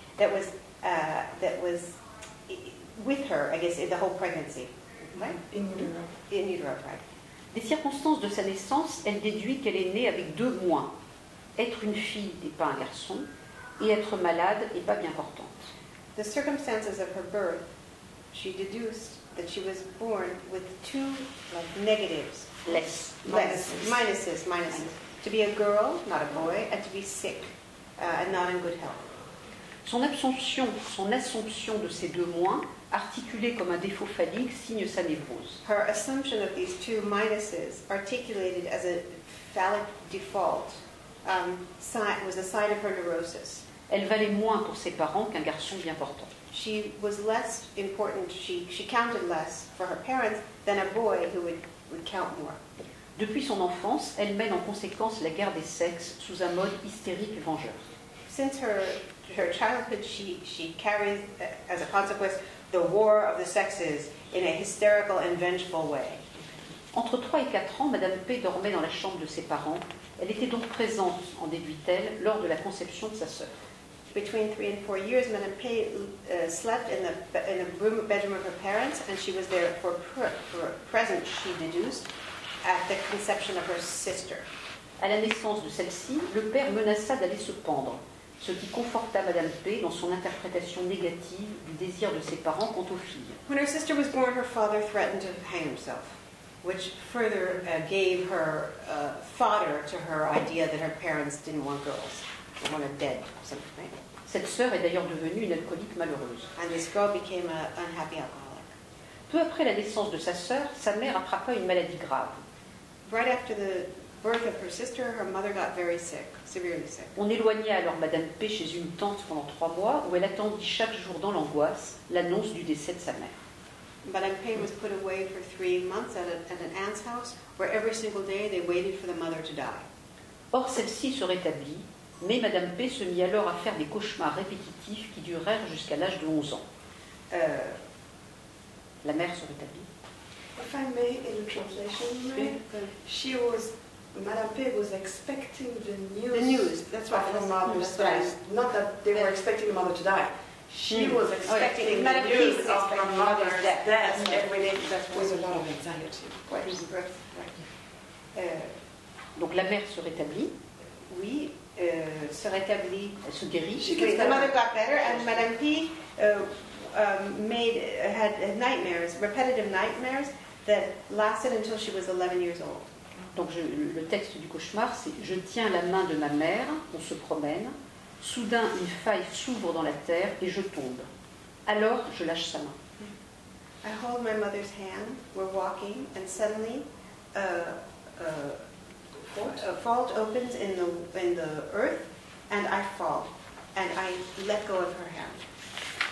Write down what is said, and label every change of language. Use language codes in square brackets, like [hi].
[en] That was with her, I guess, in the whole pregnancy. Right? In utero, right. [fr] Des circonstances de sa naissance, elle déduit qu'elle est née avec deux moins. Être une fille n'est pas un garçon, et être malade n'est pas bien portante. [en] The circumstances of her birth, she deduced that she was born with two negatives. Minuses. To be a girl, not a boy, and to be sick, and not in good health. [fr] Son assomption de ces deux moins, articulée comme un défaut phallique, signe sa névrose. [en] Her assumption of these two minuses, articulated as a phallic default, was a sign of her neurosis. [fr] Elle valait moins pour ses parents qu'un garçon bien portant. [en] She was less important, she counted less for her parents than a boy who would count more. [fr] Depuis son enfance, elle mène en conséquence la guerre des sexes sous un mode hystérique et vengeur. [en] Since her childhood, she carries, as a consequence, the war of the sexes in a hysterical and vengeful way. [fr] Entre 3 et 4 ans, Madame P dormait dans la chambre de ses parents. Elle était donc présente, en déduit-elle, lors de la conception de sa sœur. [en] Between 3 and 4 years, Madame P slept in the bedroom of her parents, and she was there for present, she deduced, at the conception of her sister. [fr] À la naissance de celle-ci, le père menaça d'aller se pendre, ce qui conforta Madame P dans son interprétation négative du désir de ses parents quant aux filles. [en] When her sister was born, her father threatened to hang himself, which further gave her fodder to her idea that her parents didn't want girls, they wanted dead something. Right? [fr] Cette sœur est d'ailleurs devenue une alcoolique malheureuse. [en] And this girl became an unhappy alcoholic. [fr] Peu après la naissance de sa sœur, sa mère attrapa une maladie grave. [en] Right after the birth of her sister, her mother got very sick, severely sick. [fr] On éloigna alors Madame P chez une tante pendant 3 mois, où elle attendit chaque jour dans l'angoisse l'annonce du décès de sa mère. [en] Madame P was put away for 3 months at an aunt's house, where every single day they waited for the mother to die. [fr] Or celle-ci se rétablit, mais Madame P se mit alors à faire des cauchemars répétitifs qui durèrent jusqu'à l'âge de 11 ans. La mère se rétablit. [en] If I may, in the translation, Madame P was expecting the news. The news. That's right. From mother's death. Not that they were expecting the mother to die. She was expecting Madame the news of her mother's death. Every day. That was a lot of anxiety. Right. [fr] Donc la mère se rétablit. Oui, se rétablit. Elle se guérit. [en] The mother got better, and Madame P had nightmares, repetitive nightmares that lasted until she was 11 years old. [fr] Donc le texte du cauchemar, c'est « Je tiens la main de ma mère, on se promène, soudain une faille s'ouvre dans la terre et je tombe. Alors je lâche sa main. » [en] I hold my mother's hand, we're walking, and suddenly a fault opens in the earth and I fall, and I let go of her hand.